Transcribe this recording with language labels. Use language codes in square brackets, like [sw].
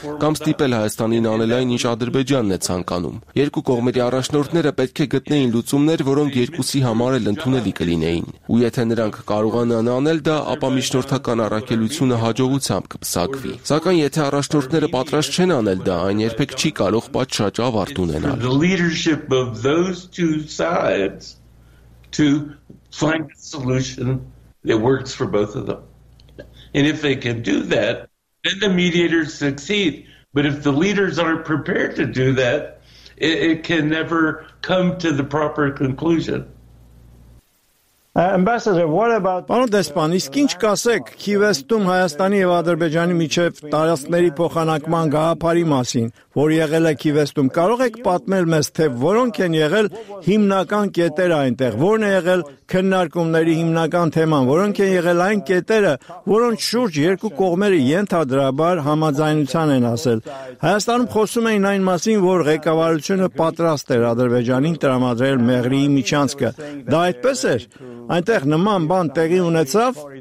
[hy] կամ ստիպել Հայաստանին անել այն, ինչ Ադրբեջանն է ցանկանում։ Երկու կողմերի առաջնորդները պետք է գտնեին լուծումներ, որոնք երկուսի համար էլ ընդունելի կլինեին։ Ու եթե նրանք կարողանան անել դա, ապա միջնորդական առաքելությունը հաջողությամբ կփսակվի։ Սակայն եթե առաջնորդները պատրաստ չեն անել դա, այն երբեք չի կարող պատշաճ ավարտ ունենալ։ [en] The leadership of those two sides to find a solution that works for both of them. And if they can do that, then the mediators succeed. But if the leaders aren't prepared to do that, it can never come to the proper conclusion. Ambassador, what about [hy] Պարոն Դեսպանիս, ինչ կասեք Քիվեստում Հայաստանի եւ Ադրբեջանի միջև տարածքների փոխանակման գաղափարի մասին, որ եղել է Քիվեստում։ Կարող եք պատմել մեզ, թե որոնք են եղել հիմնական կետերը այնտեղ, որն է եղել քննարկումների հիմնական թեման, որոնք են եղել այն կետերը, որոնց շուրջ երկու կողմերը ենթադրաբար համաձայնության են ասել։ Հայաստանում խոսում էին այն մասին, որ ղեկավարությունը պատրաստ էր Ադրբեջանին տրամադրել Մեղրի միջանցքը։ Դա այդպես էր։ Այնտեղ նման բան տեղի ունեցավ